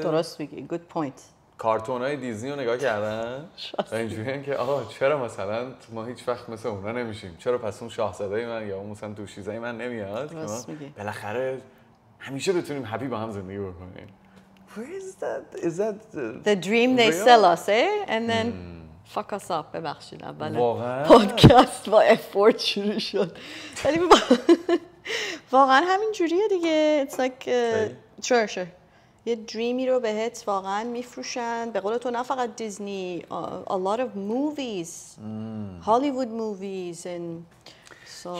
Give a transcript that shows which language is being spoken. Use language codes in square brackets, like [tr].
[fa] درست میگی، [en] good point. [fa] کارتون های دیزنی رو نگاه کردن و اینجوری هم که آه چرا مثلا ما هیچ وقت مثل اونا نمیشیم، چرا پس اون شاهزاده من یا اون مثلا دوشیزه من نمیاد که ما بالاخره همیشه بتونیم هپی با هم زندگی بکنیم. [en] Where is that the dream they sell us and then fuck us up. [fa] ببخشید اولا پادکست با افورت شروع شد ولی واقعا همین جوریه دیگه. [en] It's like sure [fa] یه دریمی رو بهت واقعا میفروشن، به قول تو نه فقط دیزنی، [en] a lot of movies Hollywood movies and so